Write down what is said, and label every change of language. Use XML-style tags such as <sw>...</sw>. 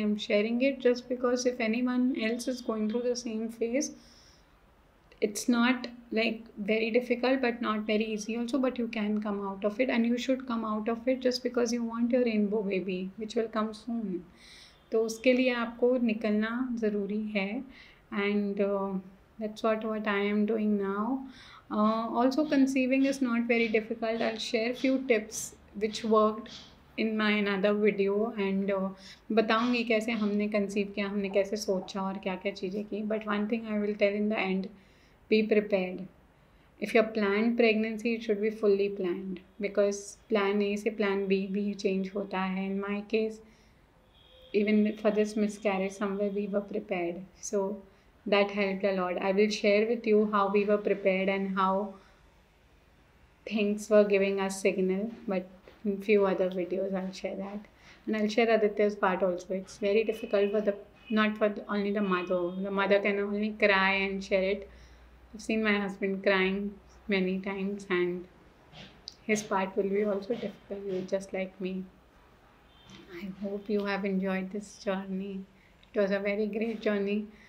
<en>I'm sharing it just because if anyone else is going through the same phase, it's not like very difficult but not very easy also, but you can come out of it and you should come out of it just because you want your rainbow baby which will come soon.</en> <hi>To uske liye aapko nikalna zaruri hai,</hi> <en>and that's what I am doing now. Also conceiving is not very difficult. I'll share few tips which worked in my another video and</en> <hi>बताऊँगी कैसे हमने conceive किया, हमने कैसे सोचा और क्या क्या चीज़ें की.</hi> <en>But one thing I will tell in the end, be prepared. If you are planned pregnancy, it should be fully planned, because plan A</en> <hi>से प्लान बी भी चेंज होता है.</hi> <en>In my case, even for this miscarriage somewhere we were prepared, so that helped a lot. I will share with you how we were prepared and how things were giving us signal, but in few other videos I'll share that. And I'll share Aditya's part also. It's very difficult for the, not for the, only the mother. The mother can only cry and share it. I've seen my husband crying many times and his part will be also difficult, just like me. I hope you have enjoyed this journey. It was a very great journey.</en>